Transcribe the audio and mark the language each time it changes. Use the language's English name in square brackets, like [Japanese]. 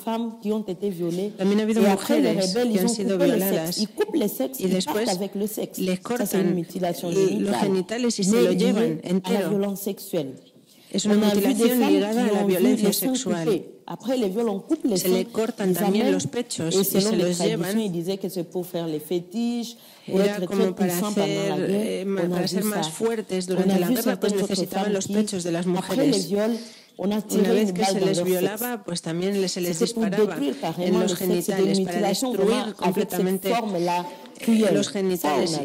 [Spanish] También ha habido mujeres que han sido violadas y después les cortan los genitales y se lo llevan entero. Es una mutilación ligada a la violencia sexual. [French] Après les viols, on coupe les [Spanish] se le cortan les también los pechos y se los llevan. [French] Il disait que c'est pour faire les fétiches, [Spanish] era como para ser más fuertes durante la guerra, pues necesitaban los pechos de las mujeres. Una vez que se les violaba, pues también se les disparaba en los genitales para destruir completamente los genitales.